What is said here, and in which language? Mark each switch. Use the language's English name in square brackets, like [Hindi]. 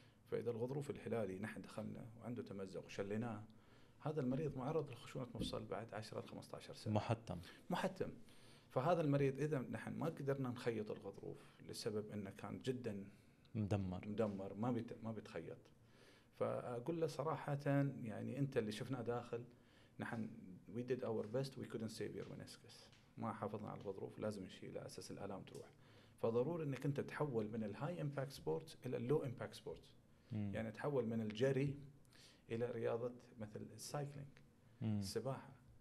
[Arabic] فإذا الغضروف الهلالي نحن دخلنا وعنده تمزق وشليناه هذا المريض معرض لخشونة مفصل بعد 10-15 سنة محتم. فهذا المريض إذا نحن ما قدرنا نخيط الغضروف لسبب أنه كان جدا مدمر ما بيتخيط فأقول له صراحة يعني أنت اللي شفناه داخل نحن [English] we did our best, we couldn't save your meniscus. [Arabic] ما حافظنا على الظروف، لازم نشيله أساس الآلام تروح. فضروري إنك أنت تحول من الهاي إمباكت سبورت إلى اللو إمباكت سبورت، يعني تحول من الجري إلى رياضة مثل السايكلينج، السباحة.